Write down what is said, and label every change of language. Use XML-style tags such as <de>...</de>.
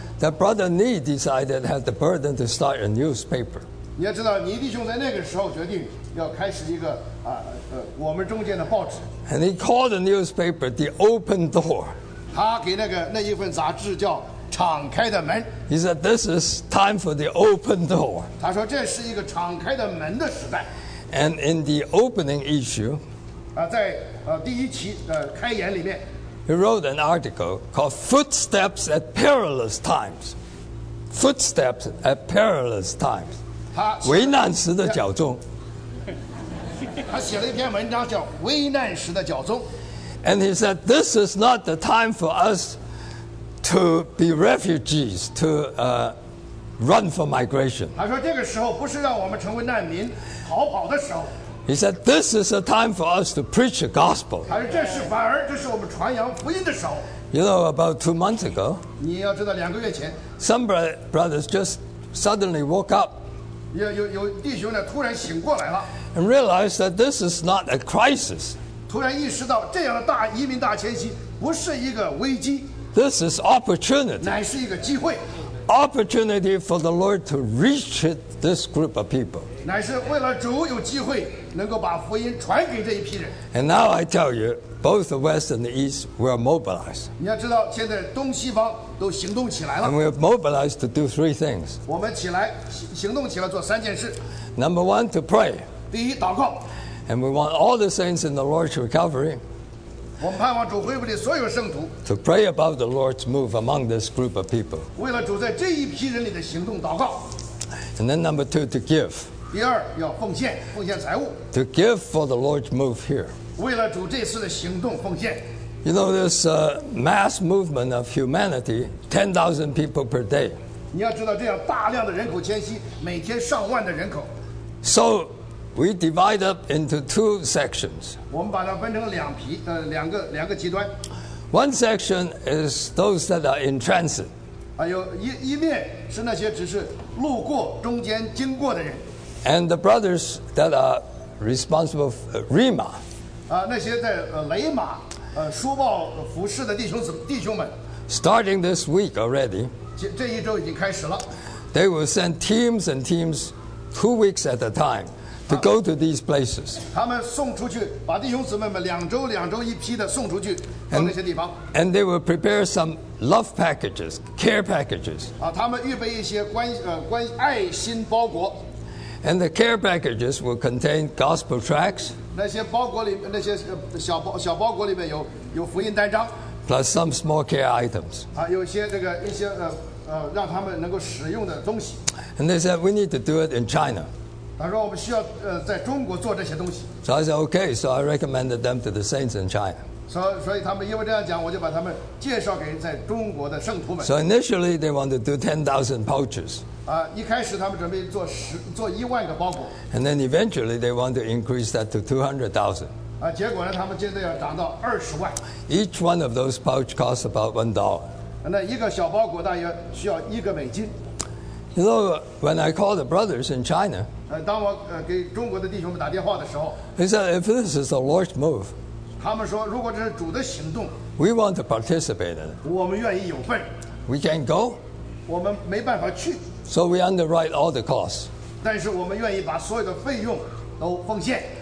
<en>The brother Nee decided had the burden to start a newspaper.</en> <zh>你要知道，倪弟兄在那个时候决定要开始一个我们中间的报纸。</zh> <en>And he called the newspaper the Open Door.</en> <zh>他给那一份杂志叫《敞开的门》。</zh> <en>He said, "This is time for the Open Door."</en> <zh>他说这是一个敞开的门的时代。</zh> <en>And in the opening issue,</en> <zh>在第一期开言里面</zh> <en>，he wrote an article called "Footsteps at Perilous Times." Footsteps at Perilous Times.</en> <zh>危难时的脚踪。他写了一篇文章叫《危难时的脚踪》。</zh> <en>And he said, "This is not the time for us to be refugees, to run for migration."</en> <zh>他说这个时候不是让我们成为难民逃跑的时候。</zh> <en>He said, "This is a time for us to preach the gospel."</en> <zh>他说这是我们传扬福音的时候。</zh> <en>You know, about 2 months ago,</en> <zh>你要知道两个月前</zh> <en>，some brothers just suddenly woke up.</en> <zh>有弟兄呢，突然醒过来了</zh> <en>，and realized that this is not a crisis.</en> <zh>突然意识到这样的大移民大迁徙不是一个危机</zh> <en>，this is opportunity.</en> <zh>乃是一个机会</zh> <en>，opportunity for the Lord to reach this group of people.</en> <zh>乃是为了主有机会能够把福音传给这一批人。</zh> <en>And now I tell you, both the West and the East were mobilized.</en> <zh>你要知道，现在东西方。都行动起来了。</zh> <en>And we have mobilized to do 3 things.</en> <zh>我们起来，行动起来，做三件事。</zh> <en>Number 1, to pray.</en> <zh>第一，祷告。</zh> <en>And we want all the saints in the Lord's recovery.</en> <zh>我们盼望主恢复里所有圣徒。</zh> <en>To pray about the Lord's move among this group of people.</en> <zh>为了主在这一批人里的行动祷告。</zh> <en>And then number 2, to give.</en> <zh>第二，要奉献财物。</zh> <en>To give for the Lord's move here.</en> <zh>为了主这次的行动奉献。</zh> <en>You know this mass movement of humanity, 10,000 people per day.</en> <zh>你要知道这样大量的人口迁徙，每天上万的人口。</zh> <en>So we divide up into 2 sections.</en> <zh>我们把它分成两个极端。</zh> <en>One section is those that are in transit.</en> <zh>有一面是那些只是路过中间经过的人。</zh> <en>And the brothers that are responsible for Rima.</en> <zh>那些在雷马。书报服侍的弟兄们</zh> <en>，Starting this week already，</en> <zh>这一周已经开始了。</zh> <en>They will send teams and teams 2 weeks at a time to go to these places。</en> <zh>他们送出去，把弟兄姊妹们两周一批的送出去到那些地方。</zh> <en>And they will prepare some love packages, care packages。</en> <zh>他们预备一些关爱心包裹。</zh> <en>And the care packages will contain gospel tracts。</en> <zh>那些包裹里，那些小包裹里面有福音单张</zh> <en>，plus some small care items。</en> <zh>有些这个一些让他们能够使用的东西。</zh> <en>And they said we need to do it in China。</en> <zh>他说我们需要在中国做这些东西。</zh> <en>So I said okay, so I recommended them to the saints in China。</en> <zh>所以他们因为这样讲，我就把他们介绍给在中国的圣徒们。</zh> <en>So initially they want to do 10,000 pouches。</en> <zh>一开始他们准备做一万个包裹。</zh> <en>And then eventually they want to increase that to 200,000.</en> <zh>结果呢，他们现在要涨到20万。</zh> <en>Each one of those pouch costs about $1.</en> <zh>那一个小包裹大约需要一个美金。</zh> <en>You know, when I call the brothers in China,</en> <zh>当我给中国的弟兄们打电话的时候</zh> <en>，He said, "If this is the Lord's move,"</en> <zh>他们说如果这是主的行动</zh> <en>，We want to participate in it.</en> <zh>我们愿意有份。</zh> <en>We can't go.</en> <zh>我们没办法去。</zh> <en>So we underwrite all the costs.</en> <zh>但是我们愿意把所有的费用都奉献。</zh>